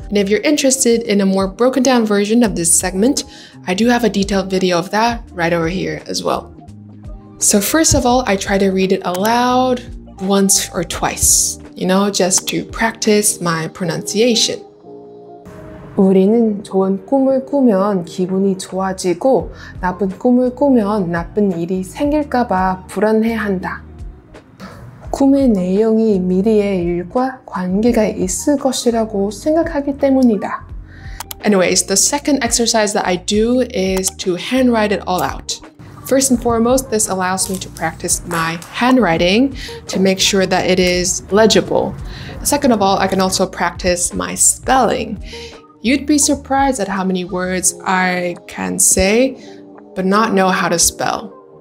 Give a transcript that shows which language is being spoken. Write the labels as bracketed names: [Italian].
[English] And if you're interested in a more broken down version of this segment, I do have a detailed video of that right over here as well. So first of all, I try to read it aloud once or twice, you know, just to practice my pronunciation. [Korean] 우리는 좋은 꿈을 꾸면 기분이 좋아지고 나쁜 꿈을 꾸면 나쁜 일이 생길까봐 불안해한다. 꿈의 내용이 미래의 일과 관계가 있을 것이라고 생각하기 때문이다. [English] Anyways, the second exercise that I do is to handwrite it all out. First and foremost, this allows me to practice my handwriting to make sure that it is legible. Second of all, I can also practice my spelling. You'd be surprised at how many words I can say, but not know how to spell.